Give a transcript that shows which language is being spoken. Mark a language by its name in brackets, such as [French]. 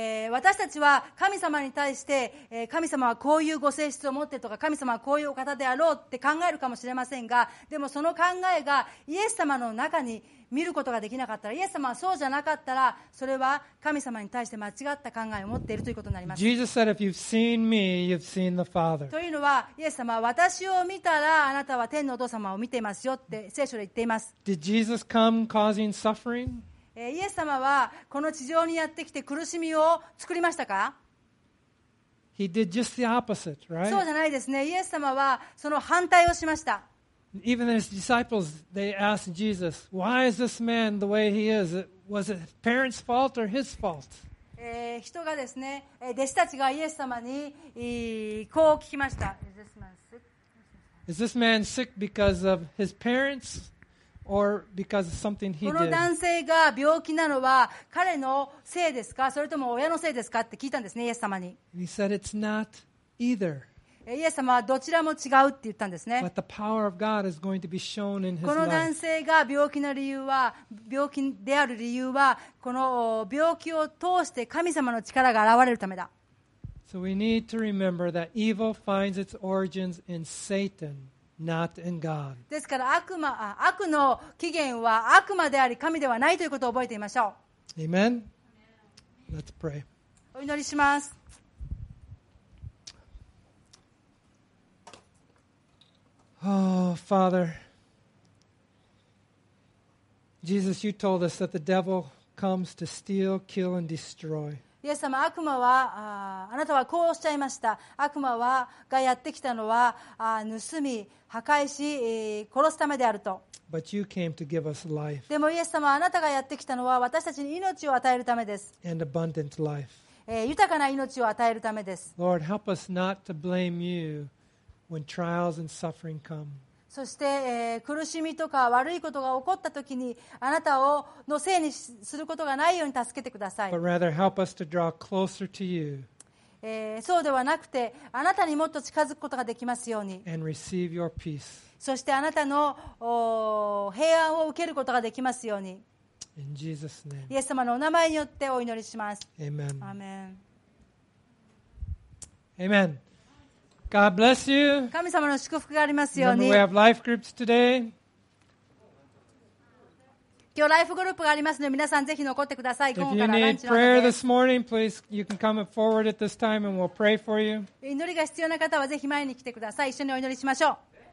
[Japanese] 私たちは神様に対して神様はこういうご性質を持ってとか神様はこういうお方であろうって考えるかもしれませんがでもその考えがイエス様の中に見ることができなかったらイエス様はそうじゃなかったらそれは神様に対して間違った考えを持っているということになります [English] Jesus said if you've seen me you've seen the Father [Japanese] というのはイエス様は私を見たらあなたは天のお父様を見ていますよって聖書で言っています [English] Did Jesus come causing suffering? [Japanese] イエス様はこの地上にやってきて苦しみを作りましたか [English] He did just the opposite, right? [Japanese] そうじゃないですねイエス様はその反対をしました [English] Even his disciples, they asked Jesus, Why is this man the way he is? Was it parents' fault or his fault? [Japanese] 人がですね弟子たちがイエス様にこう聞きました [English] Is this man sick because of his parents? Or because of something he did. [Japanese] この男性が病気なのは彼のせいですかそれとも親のせいですかって聞いたんですねイエス様に [English] He said it's not either. [Japanese] イエス様はどちらも違うって言ったんですね [English] But the power of God is going to be shown in his life. [Japanese] この男性が病気の理由は病気である理由はこの病気を通して神様の力が現れるためだ [English] So we need to remember that evil finds its origins in Satan. Not in God. [Japanese] ですから悪の起源は悪魔であり神ではないということを覚えていましょう。 [English] Amen. Let's pray. [Japanese] お祈りします。 [English] Oh, Father. Jesus, you told us that the devil comes to steal, kill, and destroy. [Japanese] イエス様、悪魔は、あなたはこうおっしゃいました。悪魔はがやってきたのは、盗み、破壊し、殺すためであると。 [English] But you came to give us life. [Japanese] でもイエス様、あなたがやってきたのは私たちに命を与えるためです。 [English] And abundant life. [Japanese] 豊かな命を与えるためです。 [English] Lord, help us not to blame you when trials and suffering come. [Japanese] そして、苦しみとか悪いことが起こったときにあなたをのせいにすることがないように助けてください。 [English] But rather help us to draw closer to you. [Japanese] そうではなくてあなたにもっと近づくことができますように。 [English] And receive your peace. [Japanese] そしてあなたの平安を受けることができますように。 [English] In Jesus' name. [Japanese] イエス様のお名前によってお祈りします。 [English] Amen. Amen. Amen. God bless you. [Japanese] 神様の祝福がありますように。 [English] Remember, we have life groups today. [Japanese] 今日ライフグループがありますので皆さんぜひ残ってください。 [English] If you need prayer this morning, please you can come forward at this time and we'll pray for you. [Japanese] 祈りが必要な方はぜひ前に来てください。一緒にお祈りしましょう。